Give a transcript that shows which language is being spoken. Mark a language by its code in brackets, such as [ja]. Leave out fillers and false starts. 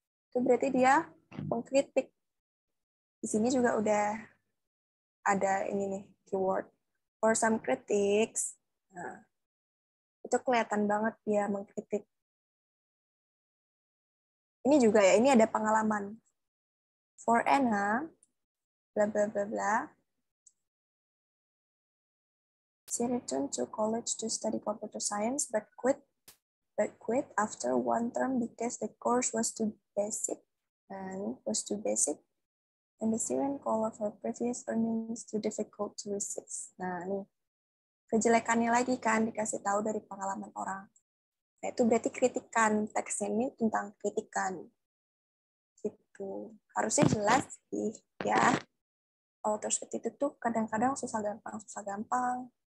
[id] Itu berarti dia mengkritik. Di sini juga udah ada ini nih, keyword. [en] For some critics, [id] nah, itu kelihatan banget dia mengkritik. Ini juga ya, ini ada pengalaman. [en] For Anna, bla bla bla bla, she returned to college to study computer science, but quit after one term because the course was too basic and the siren call of her previous earnings too difficult to resist. [id] Nah, ini kejelekannya lagi kan dikasih tahu dari pengalaman orang. Nah, itu berarti kritikan, teksnya ini tentang kritikan. Gitu. Harusnya jelas sih, ya. Author seperti itu tuh kadang-kadang susah gampang.